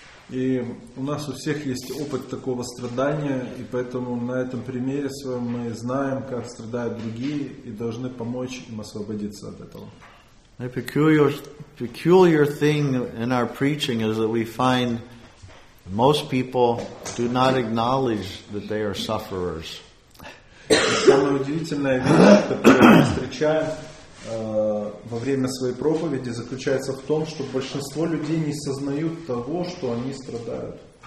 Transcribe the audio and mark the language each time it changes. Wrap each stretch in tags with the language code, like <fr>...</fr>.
<ru>И у нас у всех есть опыт такого страдания, и поэтому на этом примере своем мы знаем, как страдают другие, и должны помочь им освободиться от этого.</ru> <en>A peculiar thing in our preaching is that we find most people do not acknowledge that they are sufferers.</en> <ru>Самое удивительное, которое мы встречаем во время своей проповеди, заключается в том, что большинство людей не сознают того, что они страдают.</ru>